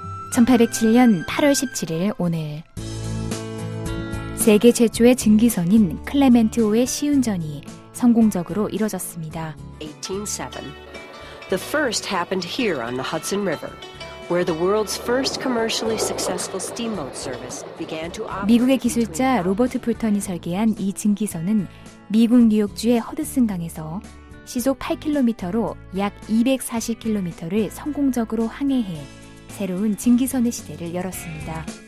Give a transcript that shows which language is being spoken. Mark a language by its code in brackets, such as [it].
[ko] 1807년 8월 17일 오늘 세계 최초의 증기선인 클레멘트호의 시운전이 성공적으로 이뤄졌습니다. 1807. [en] The first happened here on the Hudson River, where the world's first commercially successful steamboat service began to operate. [ko] 미국의 기술자 로버트 풀턴이 설계한 이 증기선은 미국 뉴욕주의 허드슨 강에서 시속 8km로 약 240km를 성공적으로 항해해 새로운 증기선의 시대를 열었습니다.